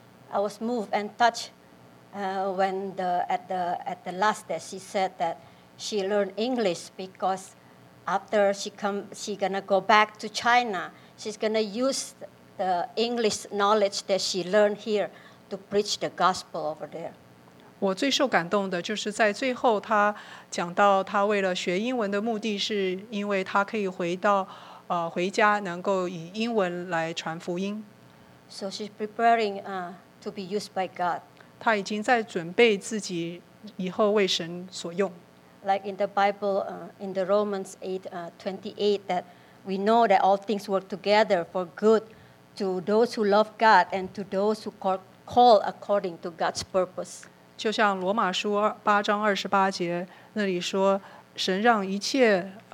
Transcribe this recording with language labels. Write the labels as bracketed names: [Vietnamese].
[English] I was moved and touched when at the last day she said that she learned English because after she gonna go back to China, she's gonna use the English knowledge that she learned here to preach the gospel over there. [Chinese] 我最受感动的就是在最后她讲到她为了学英文的目的是因为她可以回到回家能够以英文来传福音。 [English] So she's preparing to be used by God. [Chinese] 她已经在准备自己以后为神所用。 [English] Like in the Bible, in the Romans 8:28, that we know that all things work together for good to those who love God and to those who call according to God's purpose. [Chinese] 就像罗马书八章二十八节那里说，神让一切